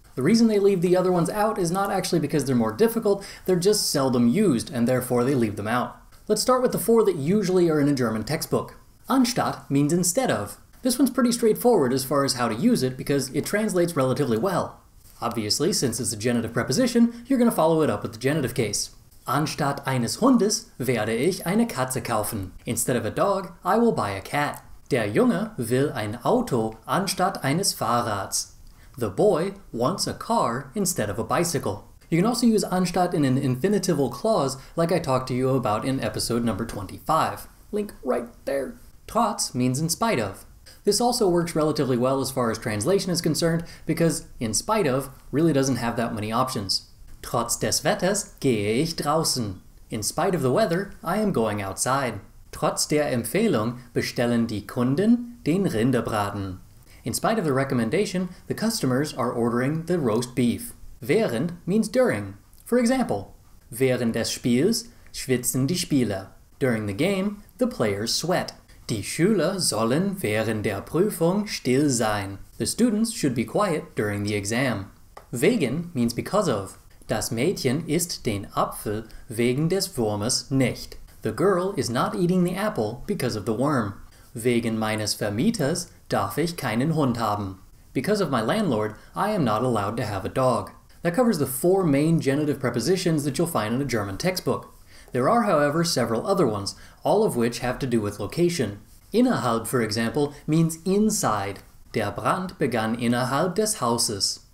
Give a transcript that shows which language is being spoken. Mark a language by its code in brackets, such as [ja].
[en] The reason they leave the other ones out is not actually because they're more difficult, they're just seldom used, and therefore they leave them out. Let's start with the 4 that usually are in a German textbook. Anstatt means instead of. This one's pretty straightforward as far as how to use it, because it translates relatively well. Obviously, since it's a genitive preposition, you're going to follow it up with the genitive case. [de] Anstatt eines Hundes werde ich eine Katze kaufen. [en] Instead of a dog, I will buy a cat. [de] Der Junge will ein Auto anstatt eines Fahrrads. [en] The boy wants a car instead of a bicycle. You can also use anstatt in an infinitival clause, like I talked to you about in episode number 25. Link right there. Trotz means in spite of. This also works relatively well as far as translation is concerned, because in spite of really doesn't have that many options. [de] Trotz des Wetters gehe ich draußen. [en] In spite of the weather, I am going outside. [de] Trotz der Empfehlung bestellen die Kunden den Rinderbraten. [en] In spite of the recommendation, the customers are ordering the roast beef. Während means during. For example, [de] während des Spiels schwitzen die Spieler. [en] During the game, the players sweat. [de] Die Schüler sollen während der Prüfung still sein. [en] The students should be quiet during the exam. Wegen means because of. [de] Das Mädchen isst den Apfel wegen des Wurmes nicht. [en] The girl is not eating the apple because of the worm. [de] Wegen meines Vermieters darf ich keinen Hund haben. [en] Because of my landlord, I am not allowed to have a dog. That covers the 4 main genitive prepositions that you'll find in a German textbook. There are, however, several other ones, all of which have to do with location. [de] Innerhalb, [en] for example, means inside. [de] Der Brand begann innerhalb des Hauses.